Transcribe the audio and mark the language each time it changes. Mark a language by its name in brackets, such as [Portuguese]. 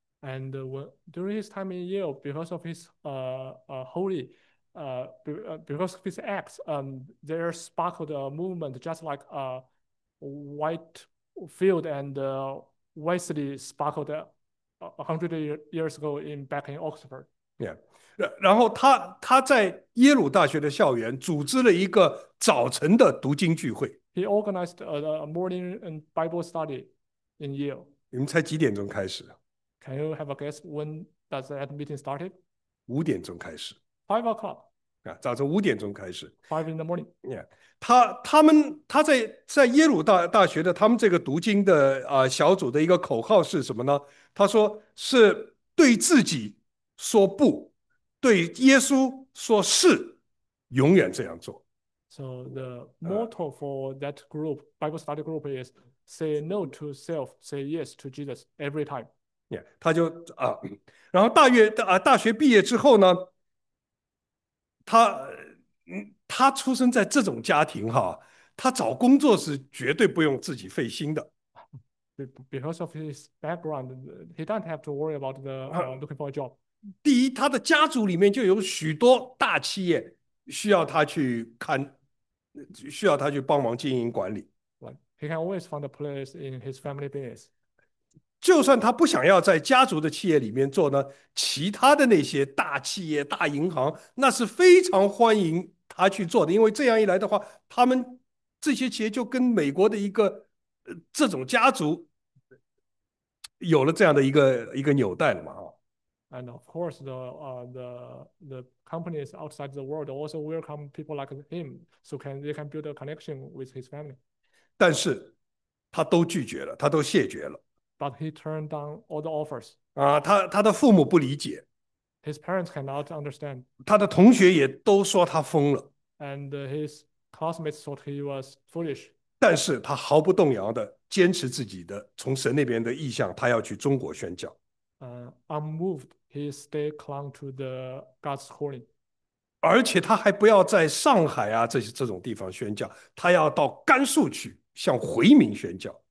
[English] And during his time in Yale, because of his holy. Because of his acts, there sparkled a movement just like a white field and Wesley sparkled 100 years ago back in Oxford. [Chinese] Yeah，然后他在耶鲁大学的校园组织了一个早晨的读经聚会。 [English] He organized a morning Bible study in Yale. [Chinese] 你们猜几点钟开始？ [English] Can you have a guess when does that meeting started? [Chinese] 5点钟开始。 [English] 5 o'clock. [Chinese] 啊，早晨5点钟开始。 [English] 5 in the morning. [Chinese] Yeah，他在耶鲁大学的他们这个读经的小组的一个口号是什么呢？他说是对自己。说不，对耶稣说是，永远这样做。 [English] So the motto for that group, Bible study group, is say no to self, say yes to Jesus every time. [Chinese] Yeah, 他就啊，然后大学毕业之后呢，他出生在这种家庭哈，他找工作是绝对不用自己费心的。 [English] Because of his background, he doesn't have to worry about looking for a job. [Chinese] 第一，他的家族里面就有许多大企业需要他去看，需要他去帮忙经营管理。 [English] Like, he can always find a place in his family base. [Chinese] 就算他不想要在家族的企业里面做呢，其他的那些大企业、大银行，那是非常欢迎他去做的，因为这样一来的话，他们这些企业就跟美国的一个这种家族有了这样的一个纽带了嘛。 [English] And of course, the companies outside the world also welcome people like him, so can they can build a connection with his family. [Chinese] 但是，他都拒绝了，他都谢绝了。 [English] But he turned down all the offers. [Chinese] 啊，他的父母不理解， [English] His parents cannot understand. [Chinese] 他的同学也都说他疯了。 [English] And his classmates thought he was foolish. [Chinese] 但是他毫不动摇的坚持自己的从神那边的意向，他要去中国宣教。 [English] Unmoved, he stayed clung to the God's calling. [Chinese] 而且他还不要在上海啊这种地方宣教，他要到甘肃去向回民宣教。